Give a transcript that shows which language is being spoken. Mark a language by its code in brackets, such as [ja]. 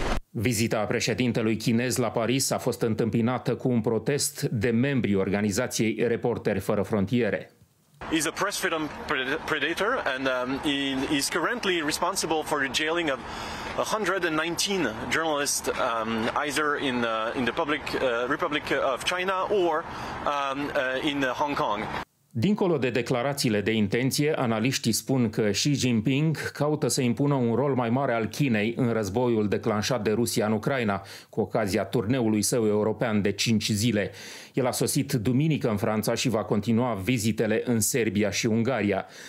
[ro] Vizita președintelui chinez la Paris a fost întâmpinată cu un protest de membrii organizației Reporteri Fără Frontiere. [en] He's a press freedom predator and he's currently responsible for the jailing of 119 journalists either in the Republic of China or in Hong Kong. [ro] Dincolo de declarațiile de intenție, analiștii spun că Xi Jinping caută să impună un rol mai mare al Chinei în războiul declanșat de Rusia în Ucraina, cu ocazia turneului său european de 5 zile. El a sosit duminică în Franța și va continua vizitele în Serbia și Ungaria.